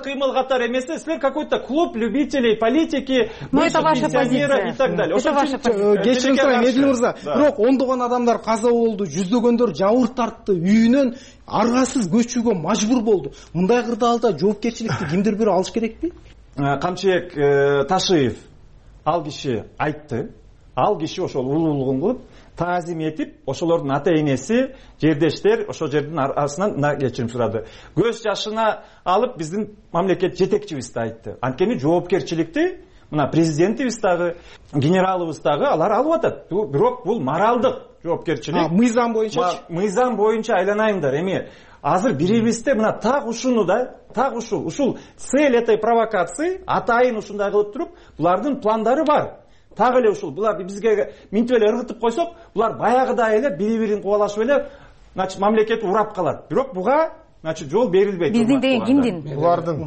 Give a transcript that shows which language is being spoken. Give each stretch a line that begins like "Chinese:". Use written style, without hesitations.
Kyrgyz: кыймыл катар эмес, силер
Russian: какой-то клуб любителей политики, ну это ваша позиция и так далее. Это ваша позиция.
Kyrgyz: Кечирим сурайм, Эдил мырза. Бирок ондогон адамдар каза болду, жүздөгөндөр жабыр тартты, үйүнөн аргасыз көчүүгө мажбур болду. Мындай кырдаалда жоопкерчиликти кимдир бири алыш керекпи? Камчыбек Ташиев ал киши айтты. Ал киши ошол уулугун кылып таазим этип ошолордун ата энеси, жердештер ошол жердин арасынан мына кечирим сурады. Көз жашына алып биздин мамлекет жетекчибиз да айтты. Анткени жоопкерчиликти мына президентибиз дагы, генералыбыз дагы алар алып атат. Бирок бул моралдык жоопкерчилик. Мыйзам боюнча. Мыйзам боюнча айланайындар. Эми азыр бири-бирибизде мына так ушуну да, так ушул. Ушул
Russian: цель этой провокации
Kyrgyz: атайын ушундай кылып туруп, булардын пландары бар. Так эле ушул. Булар бизге минтип эле ыргытып койсок, булар баягыдай эле бири-бирин кубалашып эле мамлекетти урап калат. Бирок буга жол берилбейт. Биздин деген кимдин? Булардын